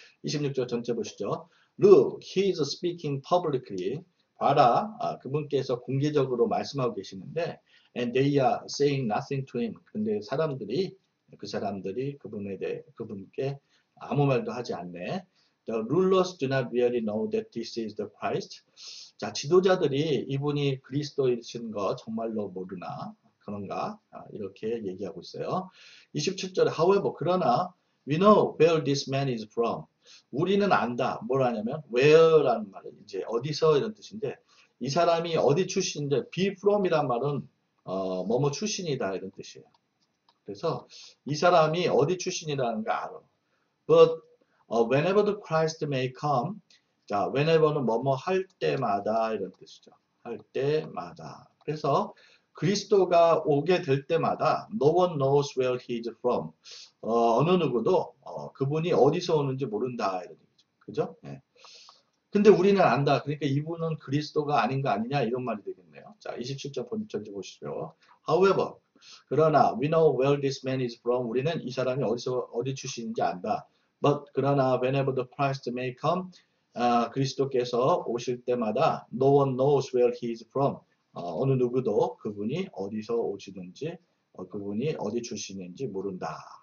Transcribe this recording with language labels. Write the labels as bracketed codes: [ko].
[ko] 26절 전체 보시죠. [en] Look, he is speaking publicly. [ko] 봐라, 그분께서 공개적으로 말씀하고 계시는데, [en] and they are saying nothing to him. [ko] 근데 사람들이, 그 사람들이 그분에 대해, 그분께 아무 말도 하지 않네. [en] The rulers do not really know that this is the Christ. [ko] 자, 지도자들이 이분이 그리스도이신 거 정말로 모르나, 그런가, 이렇게 얘기하고 있어요. [en] 27절, however, [ko] 그러나, [en] we know where this man is from. [ko] 우리는 안다. 뭘 하냐면, where라는 말은 이제 어디서 이런 뜻인데, 이 사람이 어디 출신인데, be from이란 말은, 뭐뭐 출신이다. 이런 뜻이에요. 그래서, 이 사람이 어디 출신이라는 거 알아. [en] But, whenever the Christ may come, [ko] 자, whenever는 뭐뭐 할 때마다. 이런 뜻이죠. 할 때마다. 그래서, 그리스도가 오게 될 때마다, [en] no one knows where he is from. [ko] 어느 누구도, 그분이 어디서 오는지 모른다. 이런 얘기죠. 그죠? 예. 근데 우리는 안다. 그러니까 이분은 그리스도가 아닌 거 아니냐. 이런 말이 되겠네요. 자, 27절 본전지 보시죠. [en] However, [ko] 그러나, [en] we know where this man is from. [ko] 우리는 이 사람이 어디 출신인지 안다. [en] But, [ko] 그러나, [en] whenever the Christ may come, [ko] 그리스도께서 오실 때마다, [en] no one knows where he is from. [ko] 어느 누구도 그분이 어디서 오시는지, 그분이 어디 출신인지 모른다.